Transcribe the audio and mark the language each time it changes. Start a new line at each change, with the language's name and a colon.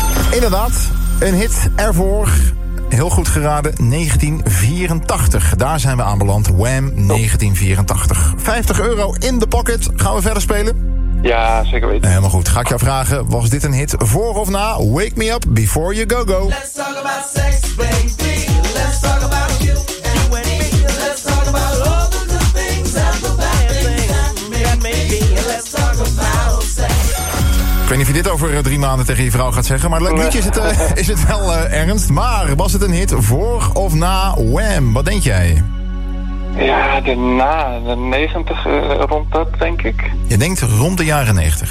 Dutch: inderdaad, een hit ervoor. Heel goed geraden, 1984. Daar zijn we aanbeland. Wham, 1984. €50 in de pocket. Gaan we verder spelen? Ja, zeker weten. Helemaal goed. Ga ik jou vragen, was dit een hit voor of na Wake Me Up Before You Go Go?
English: Let's talk about sex, baby. Let's talk about you and me. Let's talk about all the good things and the bad things that may be. Let's talk about sex.
Dutch: Ik weet niet of je dit over 3 maanden tegen je vrouw gaat zeggen, maar leuk liedje is het wel ernst. Maar was het een hit voor of na Wham? Wat denk jij? Ja, de 90 rond dat, denk ik. Je denkt rond de jaren 90.